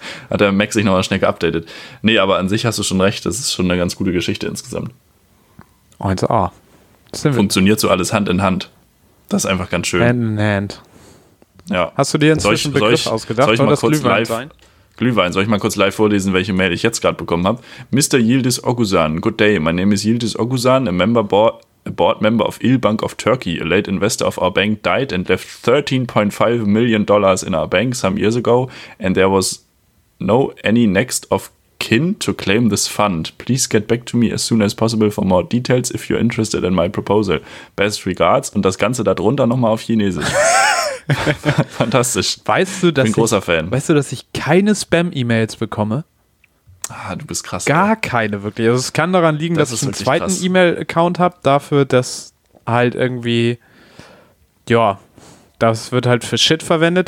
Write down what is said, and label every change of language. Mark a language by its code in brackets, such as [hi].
[de] Hat der Mac sich nochmal schnell geupdatet. Nee, aber an sich hast du schon recht, das ist schon eine ganz gute Geschichte insgesamt. 1A. Funktioniert so alles Hand in Hand. Das ist einfach ganz schön. Hand in Hand. Ja. Hast du dir inzwischen einen Begriff ausgedacht? Soll ich mal kurz Glühwein live... Glühwein, soll ich mal kurz live vorlesen, welche Mail ich jetzt gerade bekommen habe? [en] Mr. Yildiz Oguzhan, good day. My name is Yildiz Oguzhan, a board member of Il Bank of Turkey. A late investor of our bank died and left $13.5 million in our bank some years ago. And there was no any next of kin to claim this fund. Please get back to me as soon as possible for more details if you're interested in my proposal. Best regards. [de] Und das Ganze darunter nochmal auf Chinesisch. Fantastisch. Weißt du, dass ich keine Spam-E-Mails bekomme? Ah, du bist krass. Gar keine wirklich. Also es kann daran liegen, das dass ich einen zweiten krass. E-Mail-Account habe, dafür, dass halt irgendwie, ja, das wird halt für Shit verwendet.